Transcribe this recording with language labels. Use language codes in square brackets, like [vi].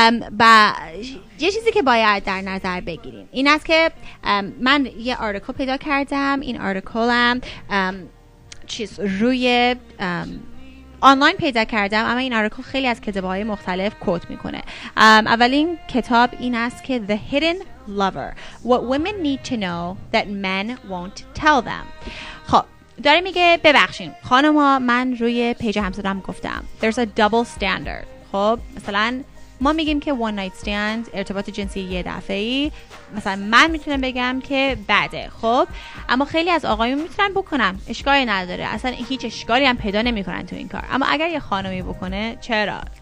[fa] با یه چیزی که باید در نظر بگیریم این است که من یه آرتیکل پیدا کردم. این آرتیکل هم چیز روی آنلاین پیدا کردم، اما این آرتیکل خیلی از کتاب‌های مختلف کوت میکنه. اولین کتاب این است که [en] The Hidden Lover: What Women Need to Know That Men Won't Tell Them. [fa] خب داره میگه ببخشین خانما، من روی پیج همسرم گفتم [en] There's a double standard. [fa] خب مثلا ما میگیم که [en] one night stand [fa] ارتباط جنسی یه دفعه ای، مثلا من میتونم بگم که بده، خب اما خیلی از آقایون میتونن بکنن، اشکالی نداره، اصلا هیچ اشکالی هم پیدا نمیکنن تو این کار، اما اگر یه خانمی بکنه چرا؟